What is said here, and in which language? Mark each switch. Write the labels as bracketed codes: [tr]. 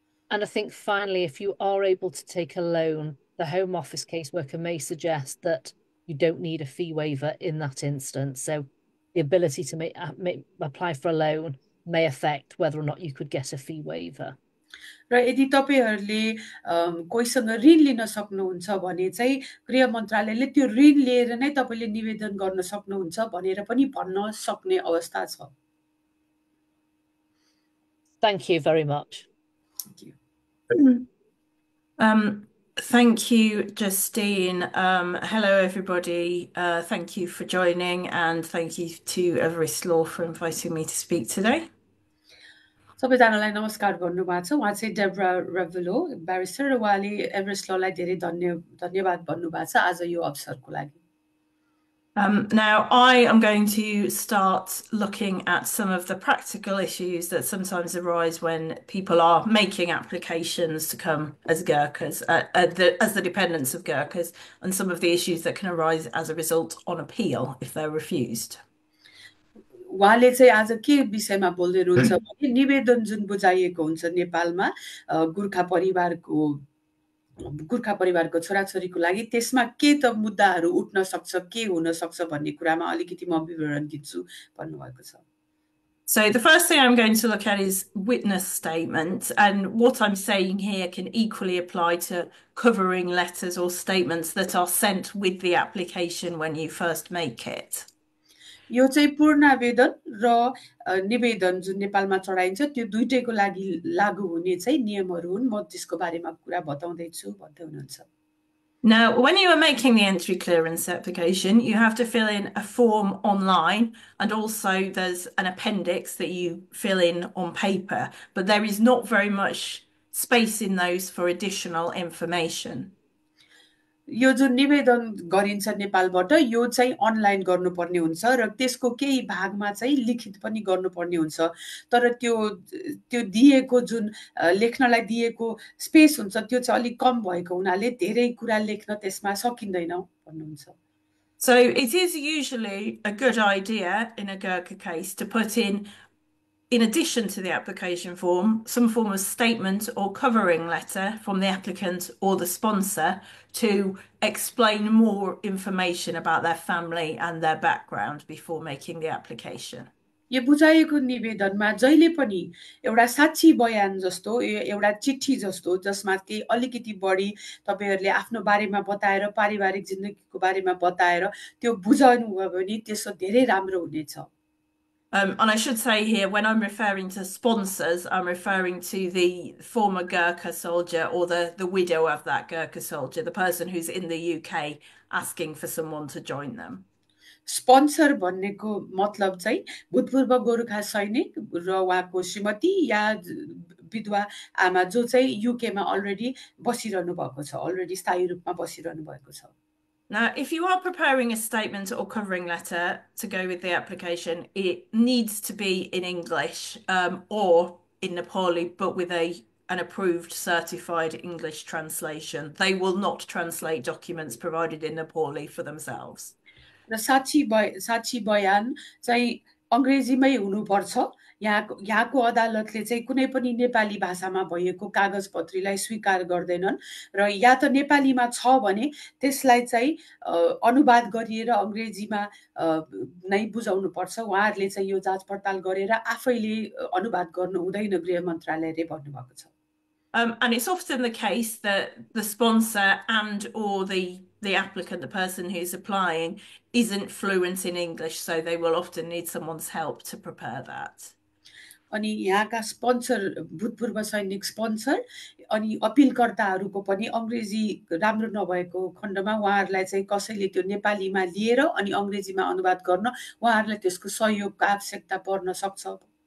[en] And I think finally, if you are able to take a loan, the Home Office caseworker may suggest that you don't need a fee waiver in that instance. So the ability to apply for a loan may affect whether or not you could get a fee waiver. [ne] र यदि तपाईँहरूले कोहीसँग ऋण लिन सक्नुहुन्छ भने चाहिँ गृह मन्त्रालयले त्यो ऋण लिएर नै तपाईँले निवेदन गर्न सक्नुहुन्छ भनेर पनि भन्न सक्ने अवस्था छ। [en] Thank you very much. Thank you. Mm. Thank you, Justine. Hello, everybody. Thank you for joining, and thank you to Everest Law for inviting me to speak today. [ne] तपाईँजनालाई नमस्कार भन्नुभएको छ. उहाँ चाहिँ डेब्रा रेभल हो, ब्यारिस्टर, र उहाँले एभरेस्ट ललाई धेरै धन्यवाद भन्नुभएको छ आज यो अवसरको लागि. [en] Now, I am going to start looking at some of the practical issues that sometimes arise when people are making applications to come as Gurkhas, as the dependents of Gurkhas, and some of the issues that can arise as a result on appeal if they're refused. [ne] उहाँले चाहिँ आज के विषयमा बोल्दै हुनुहुन्छ भने, निवेदन जुन बुझाइएको हुन्छ नेपालमा गुर्खा परिवारको छोराछोरीको लागि, त्यसमा के त मुद्दाहरू उठ्न सक्छ, के हुन सक्छ भन्ने कुरामा अलिकति म विवरण दिन्छु भन्नुभएको छ. [en] So the first thing I'm going to look at is witness statements, and what I'm saying here can equally apply to covering letters or statements that are sent with the application when you first make it. [ne] यो चाहिँ पूर्णावेदन र निवेदन जुन नेपालमा चढाइन्छ त्यो दुइटैको लागि लागू हुने चाहिँ नियमहरू हुन्, म त्यसको बारेमा कुरा बताउँदैछु भन्दै हुनुहुन्छ. [en] Now, when you are making the entry clearance application, you have to fill in a form online, and also there's an appendix that you fill in on paper, but there is not very much space in those for additional information. [ne] यो जुन निवेदन गरिन्छ नेपालबाट यो चाहिँ online गर्नुपर्ने हुन्छ र त्यसको केही भागमा चाहिँ लिखित पनि गर्नुपर्ने हुन्छ, तर त्यो त्यो दिएको जुन लेख्नलाई दिएको स्पेस हुन्छ त्यो चाहिँ अलिक कम भएको हुनाले धेरै कुरा लेख्न त्यसमा सकिँदैन भन्नुहुन्छ. [en] So it is usually a good idea in a Gurkha case to put in addition to the application form, some form of statement or covering letter from the applicant or the sponsor to explain more information about their family and their background before making the application. [ne] यो बुझाइएको निवेदनमा जहिले पनि एउटा साक्षी बयान जस्तो, एउटा चिठी जस्तो, जसमा केही अलिकति बढी तपाईँहरूले आफ्नो बारेमा बताएर पारिवारिक जिन्दगीको बारेमा बताएर त्यो बुझाउनुभयो भने त्यसो धेरै राम्रो हुनेछ. [en] And I should say here, when I'm referring to sponsors, I'm referring to the former Gurkha soldier or the widow of that Gurkha soldier, the person who's in the UK asking for someone to join them. [ne] Sponsor भन्नेको मतलब चाहिँ भूतपूर्व गोर्खा सैनिक र उहाँको श्रीमती या विधवा आमा जो चाहिँ युकेमा अलरेडी बसिरहनु भएको छ, अलरेडी स्थायी रूपमा बसिरहनु भएको छ. [en] Now, if you are preparing a statement or covering letter to go with the application, it needs to be in English or in Nepali, but with an approved certified English translation. They will not translate documents provided in Nepali for themselves. [ne] र साक्षी बयान चाहिँ अङ्ग्रेजीमै हुनुपर्छ. यहाँको अदालतले चाहिँ कुनै पनि नेपाली भाषामा भएको कागज पत्रीलाई स्वीकार गर्दैनन् र या त नेपालीमा छ भने त्यसलाई चाहिँ अनुवाद गरिएर अङ्ग्रेजीमा नै बुझाउनु पर्छ. उहाँहरूले चाहिँ यो जाँच पडताल गरेर आफैले अनुवाद गर्नु हुँदैन, गृह मन्त्रालयले भन्नुभएको छ. [en] And it's often the case that the sponsor and or the applicant, the person who's applying, isn't fluent in English, so they will often need someone's help to prepare that. [ne] अनि यहाँका स्पोन्सर, भूतपूर्व सैनिक sponsor अनि अपिलकर्ताहरूको पनि अङ्ग्रेजी राम्रो नभएको खण्डमा उहाँहरूलाई चाहिँ कसैले त्यो नेपालीमा लिएर अनि अङ्ग्रेजीमा अनुवाद गर्न उहाँहरूलाई त्यसको सहयोगको आवश्यकता पर्न सक्छ.